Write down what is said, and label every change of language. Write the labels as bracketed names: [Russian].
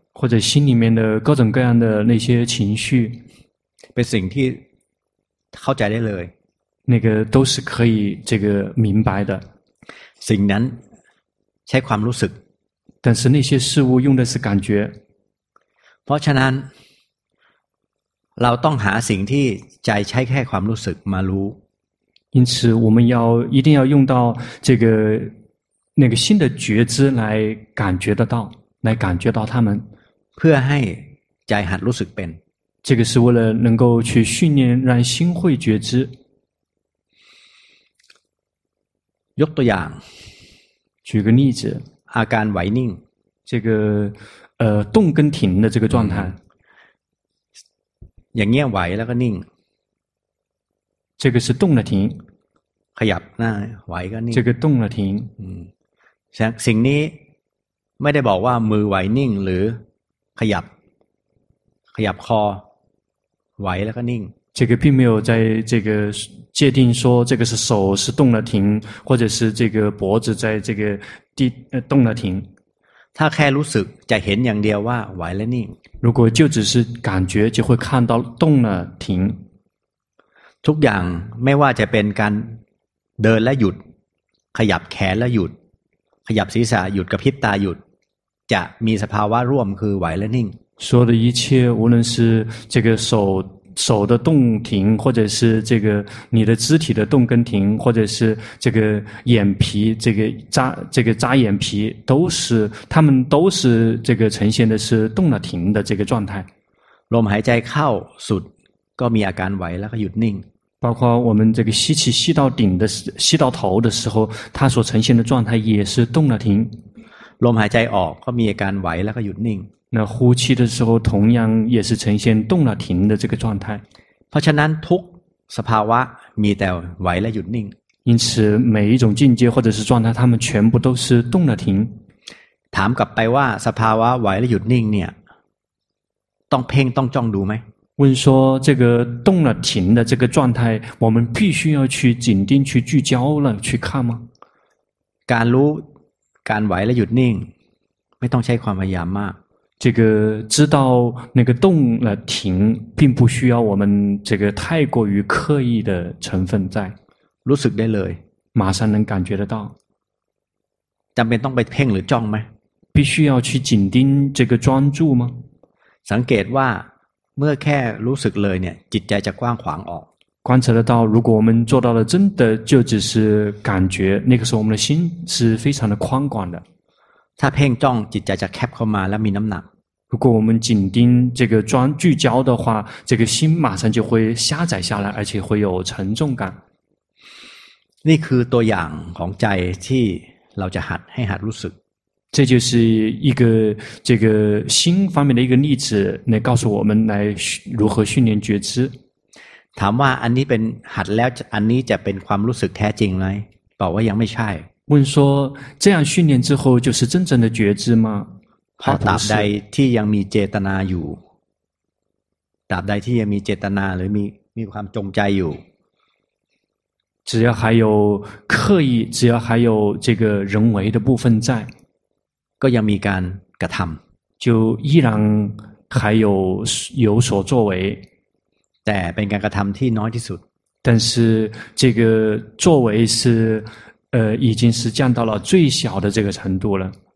[Chinese] 或者心里面的各种各样的那些情绪 [Thai] เป็นสิ่งที่เข้าใจได้เลย [Chinese] 那个都是可以这个明白的 [Thai] สิ่งนั้นใช้ความรู้สึก [Chinese] 但是那些事物用的是感觉 [Thai] เพราะฉะนั้นเราต้องหาสิ่งที่ใจใช้แค่ความรู้สึกมารู้ [Chinese] 因此我们要一定要用到这个那个新的觉知来感觉得到来感觉到他们 [Thai] เพื่อให้ใจหัดรู้สึกเป็น [Chinese] 这个是为了能够去训练让心会觉知 [Thai] ยกตัวอย่าง [Chinese] 举个例子 [Thai] อาการไหวนิ่ง [Chinese] 这个动跟停的这个状态 [Thai] อย่างเงี้ยไหวแล้วก็นิ่ง [Chinese] 这个是动了停 [Thai] ขยับนะไหวก็นิ่ง [Chinese] 这个动了停 [Thai] สิ่งนี้ไม่ได้บอกว่ามือไหวนิ่งหรือขยับคอไหวแล้วก็นิ่ง [Chinese] 这个并没有在这个界定说这个是手是动了停或者是这个脖子在这个动了停 [Thai] 他แค่รู้สึกจะเห็นอย่างเดียวว่าไหวและนิ่ง [Chinese] 如果就只是感觉就会看到动了停 [Thai] ทุกอย่างไม่ว่าจะเป็นการเดินและหยุดขยับแขนและหยุดขยับศีรษะหยุดกระพริบตาหยุดจะมีสภาวะร่วมคือไหวและนิ่ง [Chinese] 所有的一切无论是这个手的动停或者是这个你的肢体的动跟停或者是这个眼皮这个眨眼皮都是他们都是这个呈现的是动了停的这个状态 [Thai] ลมหายใจเข้าสุดก็มีอาการไหวแล้วก็หยุดนิ่ง [Chinese] 包括我们这个吸气吸到顶的吸到头的时候它所呈现的状态也是动了停 [Thai] ลมหายใจออกก็มีอาการไหวแล้วก็หยุดนิ่ง [Chinese] 那呼气的时候同样也是呈现动了停的这个状态 [Thai] เพราะฉะนั้นทุกสภาวะมีแต่ไหวและหยุดนิ่ง [Chinese] 因此每一种境界或者是状态它们全部都是动了停 [Thai] ถามกลับไปว่าสภาวะไหวและหยุดนิ่งเนี่ยต้องเพ่งต้องจ้องดูไหม [Chinese] 问说这个动了停的这个状态我们必须要去紧盯去聚焦了去看吗 [Thai] การรู้การไหวและหยุดนิ่งไม่ต้องใช้ความพยายามมาก [Chinese] 这个知道那个动了停并不需要我们这个太过于刻意的成分在 [Thai] รู้สึกได้เลย [Chinese] 马上能感觉得到 [Thai] จำเป็นต้องไปเพ่งหรือจ้องไหม [Chinese] 必须要去紧盯这个专注吗 [Thai] สังเกตว่าเมื่อแค่รู้สึกเลยเนี่ยจิตใจจะกว้างขวางออก [Chinese] 观察得到如果我们做到了真的就只是感觉那个时候我们的心是非常的宽广的 [Thai] ถ้าเพ่งจ้องจิตใจจะแคบเข้ามาและมีน้ำหนัก [Chinese] 如果我们紧盯这个专聚焦的话这个心马上就会狭窄下来而且会有沉重感 [Thai] นี่คือตัวอย่างของใจที่เราจะหัดให้หัดรู้สึก [Chinese] 这就是一个这个心方面的一个例子来告诉我们来如何训练觉知 [Thai] ถามว่าอันนี้เป็นหัดแล้วอันนี้จะเป็นความรู้สึกแท้จริงไหมบอกว่ายังไม่ใช่ [Chinese] 问说这样训练之后就是真正的觉知吗 [Thai] ตราบใดที่ยังมีเจตนาอยู่ตราบใดที่ยังมีเจตนาหรือมีความจงใจอยู่ [Chinese] 只要还有刻意只要还有这个人为的部分在 [Thai] ก็ยังมีการกระทำ [Chinese] 就依然还有所作为 [Thai] แต่เป็นการกระทำที่น้อยที่สุด [Chinese] 但是这个作为是已经是降到了最小的这个程度了